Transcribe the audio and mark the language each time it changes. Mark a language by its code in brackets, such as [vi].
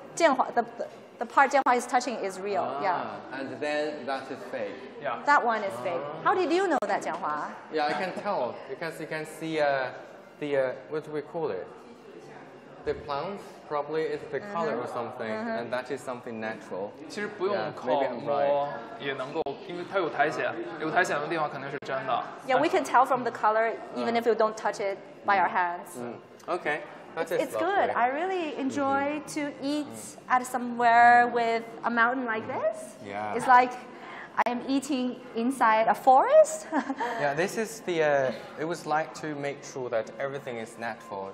[en] Jianhua, the part Jianhua is touching is real. Yeah. And then that is fake. Yeah. That one is fake. How did you know that, Jianhua? Yeah, I can tell because you can see. What do we call it? The plants probably is the color or something, and that is something natural. [zh] 其实不用靠摸，也能够，因为它有苔藓，有苔藓的地方肯定是真的。Yeah, [en] we can tell from the color even if you don't touch it by our hands. Okay, that is. It's good. I really enjoy to eat at somewhere with a mountain like this. Yeah. It's like I am eating inside a forest. Yeah, this is the, it was like to make sure that everything is natural.